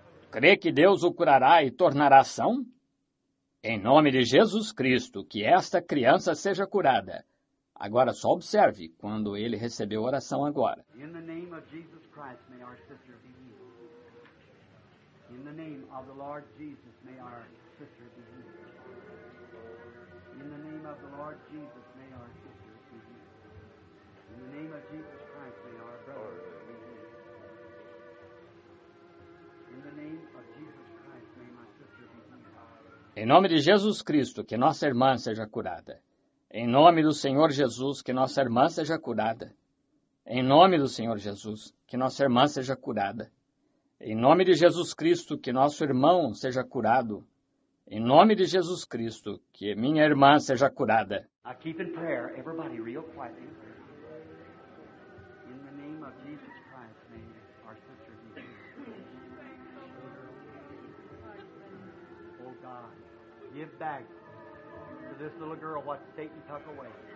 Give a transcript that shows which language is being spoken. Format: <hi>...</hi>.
<pt>Crê que Deus o curará e tornará são? Em nome de Jesus Cristo, que esta criança seja curada. Agora só observe quando ele recebeu a oração agora.</pt> <en>In the name of Jesus Christ, may our sister be healed. In the name of the Lord Jesus, may our sister be healed. In the name of the Lord Jesus, may our sister be healed. In the name of Jesus Christ, may our brother be healed. In the name of Jesus Christ, may my sister be healed.</en> <pt>Em nome de Jesus Cristo, que nossa irmã seja curada. Em nome do Senhor Jesus, que nossa irmã seja curada. Em nome do Senhor Jesus, que nossa irmã seja curada. Em nome de Jesus Cristo, que nosso irmão seja curado. Em nome de Jesus Cristo, que minha irmã seja curada.</pt> <en>I keep in prayer, everybody real quietly. In the name of Jesus Christ, may our sister be healed. Oh God, give back to this little girl what Satan took away.</en>